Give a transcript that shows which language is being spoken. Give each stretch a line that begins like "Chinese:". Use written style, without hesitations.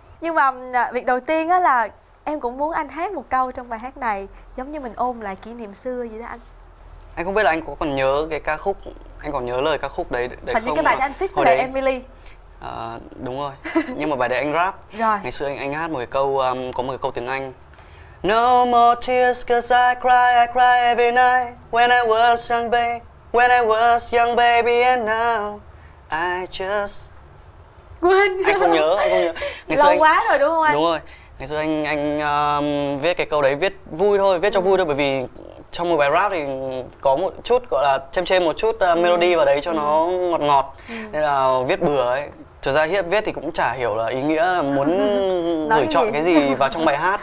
Vietnamese: Nhưng mà việc đầu tiên á là em cũng muốn anh hát một câu trong bài hát này, giống như mình ôm lại kỷ niệm xưa vậy đó anh. Anh không biết là anh có còn nhớ cái ca khúc, anh còn nhớ lời ca khúc đấy không? Hình như cái bài đấy anh fit với bài Emily. Đúng rồi. Nhưng mà bài đấy anh rap. Rồi. Ngày xưa anh hát một cái câu, có một cái câu tiếng Anh.
English: No more tears cause I cry every night. When I was young baby, when I was young baby and now I just...
Vietnamese: Quên. Anh không nhớ, ngày lâu xưa anh... quá rồi đúng không anh? Đúng rồi, ngày xưa anh viết cái câu đấy viết vui thôi, viết cho vui thôi, bởi vì trong một bài rap thì có một chút gọi là chêm chêm một chút melody vào đấy cho nó ngọt ngọt, nên là viết bừa ấy. Thực ra Hiếp viết thì cũng chả hiểu là ý nghĩa là muốn gửi chọn cái gì vào trong bài hát.